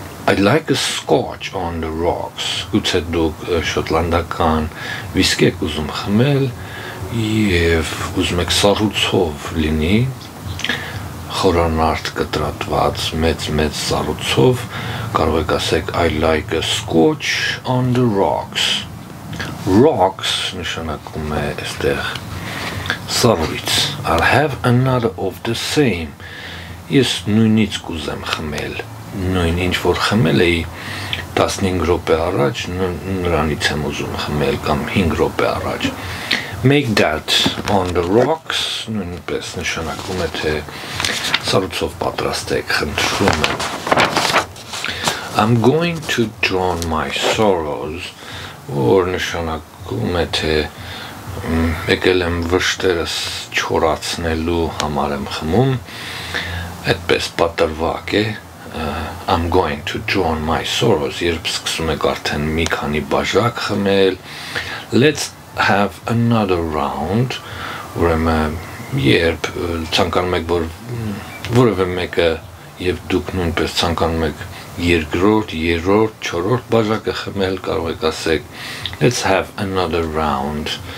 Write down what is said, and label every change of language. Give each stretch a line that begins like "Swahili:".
English: I'd like a scotch on the rocks,
Armenian: ուցե դուք շոտլանդական վիսկի եք ուզում խմել և ուզում եք սառուցով լինի, խորանարդ կտրատված մեծ-մեծ սառուցով, կարող եք ասեք I'd like a scotch on the rocks.
English: Rocks
Armenian: նշանակում է այստեղ սառույց։
English: I'll have another of the same.
Armenian: Ես նույնից կուզեմ խմել, նույն ինչ որ խմել էի, 15 րոպե առաջ նրանից եմ ուզում խմել կամ 5 րոպե առաջ.
English: Make that on the rocks,
Armenian: նույնպես նշանակում է, թե սառուցով պատրաստեք, խնդրում եմ.
English: I'm going to drown my sorrows,
Armenian: որ նշանակում է, թե եկել եմ վշտերս չորացնելու համար եմ խմում, այդպես պատրվակ է.
English: I'm going to drown my sorrows.
Armenian: Երբ սկսում եք արդեն մի քանի բաժակ խմել,
English: let's have another round.
Armenian: Ուրեմն, երբ ցանկանում եք, որ որևէ մեկը, եւ դուք նույնպես ցանկանում եք երկրորդ, երրորդ, չորրորդ բաժակը խմել, կարող եք ասել,
English: let's have another round.